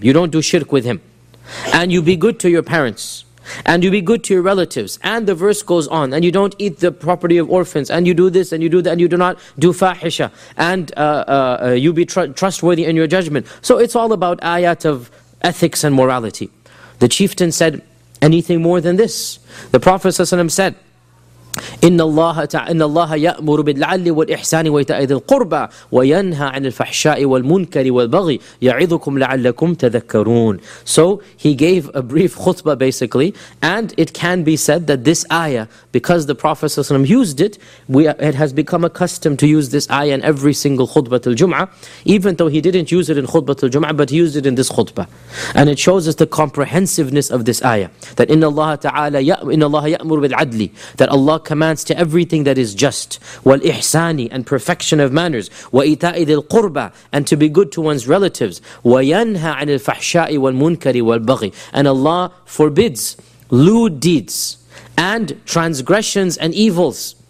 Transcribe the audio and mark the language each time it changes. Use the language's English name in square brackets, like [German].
[English] You don't do shirk with Him. And you be good to your parents, and you be good to your relatives, and the verse goes on, and you don't eat the property of orphans, and you do this, and you do that, and you do not do fahisha, and you be trustworthy in your judgment. So it's all about ayat of ethics and morality. The chieftain said, anything more than this? The Prophet ﷺ said, [Arabic] إن الله يأمر بالعدل والإحسان وإيتاء ذي القربى وينهى عن الفحشاء والمنكر والبغي يعظكم لعلكم تذكرون. [English] So he gave a brief khutbah basically, and it can be said that this ayah, because the Prophet ﷺ used it, it has become accustomed to use this ayah in every single khutbah till Jum'ah, even though he didn't use it in khutbah till Jum'ah, but he used it in this khutbah. And it shows us the comprehensiveness of this ayah, that [Arabic] إن الله تعالى إن الله يأمر بالعدل, [English] that Allah commands to everything that is just, [Arabic] وَالْإِحْسَانِ, [English] and perfection of manners, [Arabic] وَإِتَاءِ ذِي الْقُرْبَى, [English] and to be good to one's relatives, [Arabic] وَيَنْهَى عَنِ الْفَحْشَاءِ وَالْمُنْكَرِ وَالْبَغِي, [English] and Allah forbids lewd deeds and transgressions and evils.